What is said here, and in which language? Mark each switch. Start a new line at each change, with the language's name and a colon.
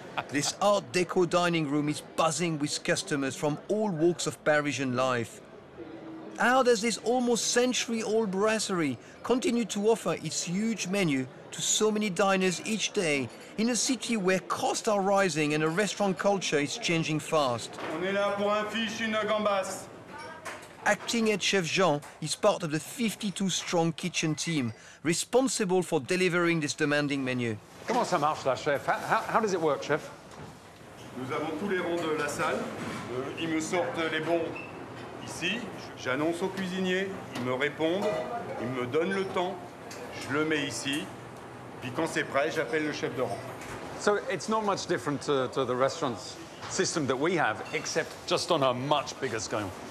English: This Art Deco dining room is buzzing with customers from all walks of Parisian life. How does this almost century-old brasserie continue to offer its huge menu to so many diners each day in a city where costs are rising and a restaurant culture is changing fast?
French: On est là pour un fish in a gambas.
English: Acting head chef Jean is part of the 52-strong kitchen team responsible for delivering this demanding menu.
French: Comment ça marche, là, chef?
English: How does it work, chef?
French: Nous avons tous les rangs de la salle. Ils me sortent les bons ici. J'annonce aux cuisiniers. Ils me répondent. Ils me donnent le temps. Je le mets ici. Puis quand c'est prêt, j'appelle le chef de rang.
English: So it's not much different to the restaurant system that we have, except just on a much bigger scale.